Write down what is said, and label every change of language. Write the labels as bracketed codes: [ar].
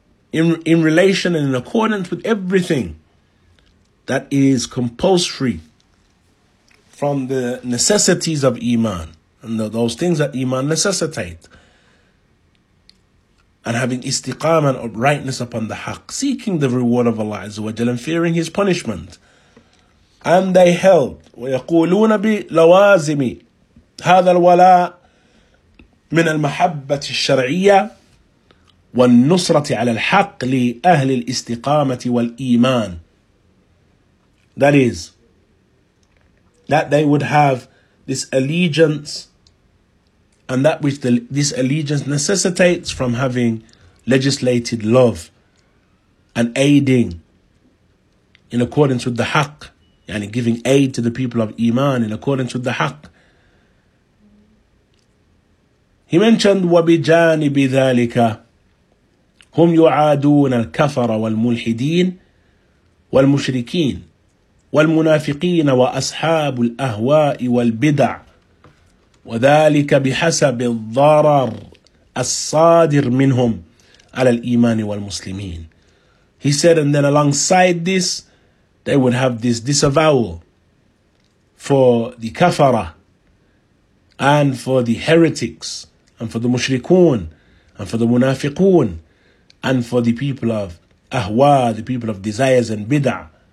[en] In relation and in accordance with everything that is compulsory from the necessities of Iman, and those things that Iman necessitate, and having istiqama and uprightness upon the haqq, seeking the reward of Allah Azza wa Jalla and fearing His punishment. And they held, [ar] وَيَقُولُونَ بِلَوَازِمِ هَذَا الْوَلَاءِ مِنَ الْمَحَبَّةِ الشَّرْعِيَّةِ والنصرة على الحق لأهل الاستقامة والإيمان. [en] That is, that they would have this allegiance, and that which this allegiance necessitates from having legislated love and aiding in accordance with the haqq, yani giving aid to the people of Iman in accordance with the haqq. He mentioned, [ar] وَبِجَانِبِ ذَلِكَ هم يعادون الكفر والملحدين والمشركين والمنافقين وأصحاب الأهواء والبدع وذلك بحسب الضرر الصادر منهم على الإيمان والمسلمين. [en] He said, and then alongside this, they would have this disavowal for the kafara and for the heretics and for the mushrikun and for the munafiqun and for the people of ahwa, the people of desires and bid'ah.